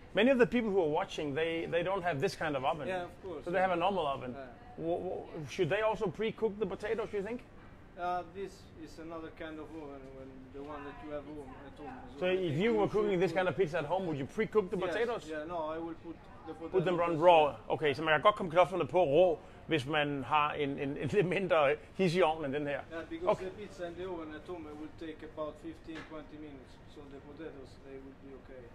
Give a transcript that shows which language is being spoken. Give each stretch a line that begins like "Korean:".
English: Many of the people who are watching, they don't have this kind of oven. Yeah, of course. So yeah. They have a normal oven. Yeah. Should they also pre-cook the potatoes, you think? This is another kind of oven, the one that you have at home. So if you were cooking this kind of pizza at home, would you pre-cook the potatoes? Yeah, no, I will put the potatoes. Put them on raw.
Danish: Okay, så man kan godt komme kartoflerne på rå, hvis man har en lidt mindre hiss i ovnen end den her.
English: Yeah, because okay. The pizza in the oven at home will take about 15-20 minutes, so the potatoes, they will be okay.